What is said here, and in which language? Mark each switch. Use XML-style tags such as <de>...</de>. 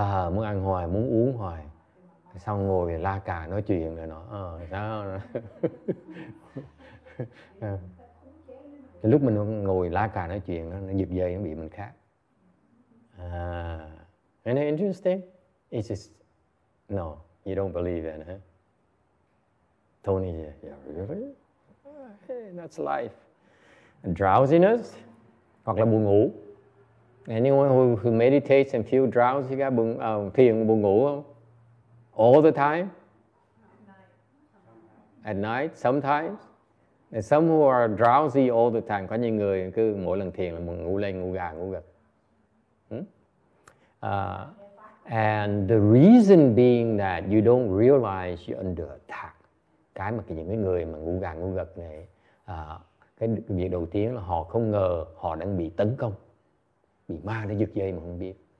<vi>Muốn ăn hoài, muốn uống hoài. Xong ngồi la cà nói chuyện rồi nó sao lúc mình ngồi la cà nói chuyện nó dịp dây nó bị mình khác.</vi> <en>And it's interesting, it's just no, you don't believe in it, huh? Tony, yeah, really? That's life. And drowsiness</en> <vi>hoặc là buồn ngủ.</vi> <en>Anyone who meditates and feel drowsy, got</en> <vi>thiền buồn ngủ không?</vi> <en>All the time, at night, sometimes, and some who are drowsy all the time.</en> <vi>Có những người cứ mỗi lần thiền là ngủ lên ngủ gật.</vi> <en>And the reason being that you don't realize you're under attack.</en> <vi>Cái mà những cái người mà ngủ gà ngủ gật này, cái việc đầu tiên là họ không ngờ họ đang bị tấn công, bị ma nó giật dây mà không biết.</vi>